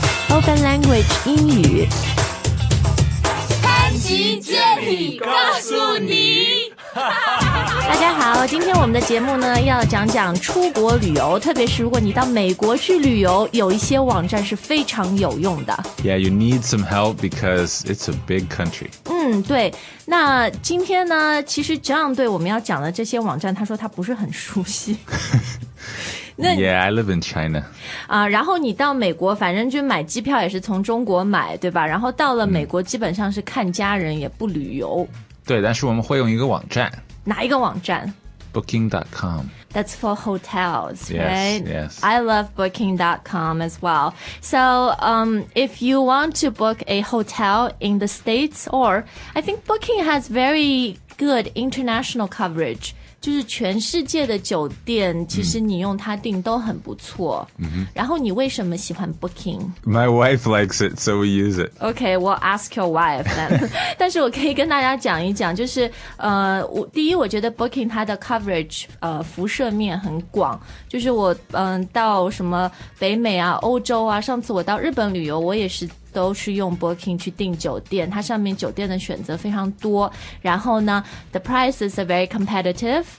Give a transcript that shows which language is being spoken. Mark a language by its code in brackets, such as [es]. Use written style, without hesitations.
[zh] Open Language 英语，潘吉接力告诉你。大家好，今天我们的节目呢要讲讲出国旅游，特别是如果你到美国去旅游，有一些网站是非常有用的。 [en] Yeah, you need some help because it's a big country. [zh] 嗯，对，那今天呢其实 John 对我们要讲的这些网站他说他不是很熟悉。 [en] Yeah, I live in China. [zh] 啊，然后你到美国，反正就买机票也是从中国买，对吧？然后到了美国，基本上是看家人，也不旅游。对，但是我们会用一个网站。哪一个网站？ [en] Booking.com. That's for hotels, yes, right? Yes. I love Booking.com as well. So, if you want to book a hotel in the States, or I think Booking has very good international coverage. [zh] 就是全世界的酒店其实你用它订都很不错、 mm-hmm. 然后你为什么喜欢 Booking? [en] My wife likes it, so we use it. Okay, we'll ask your wife then. [zh] 但是我可以跟大家讲一讲，就是第一我觉得 Booking 它的 coverage 辐射面很广，就是我到什么北美啊欧洲啊，上次我到日本旅游我也是都是用 Booking 去订酒店，它上面酒店的选择非常多，然后呢 [en] the prices are very competitive、